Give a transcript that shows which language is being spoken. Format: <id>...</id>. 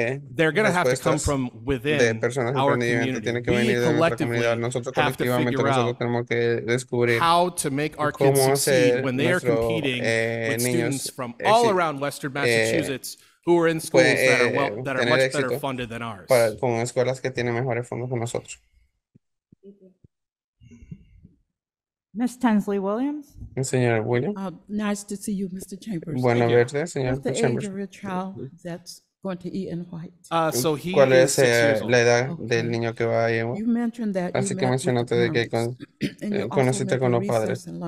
<en>They're going to have to come from within our community. We collectively have to figure out how to make our kids succeed when they are competing with students from all around Western Massachusetts who are in schools that are much better funded than ours.</en> <es>Con escuelas que tienen mejores fondos que nosotros.</es> <en>Ms. Tensley Williams.</en> <es>Señor Williams.</es> <en>Nice to see you, Mr. Chambers.</en> <es>Bueno verte, señor Chambers.</es> <en>What's the age of your child that's going to eat in White? So he is 6 years old.</en> <es>¿Cuál es la edad del niño que va a llevar?</es> <en>You mentioned that.</en> <es>Así que mencionaste de que conociste con los padres.</es>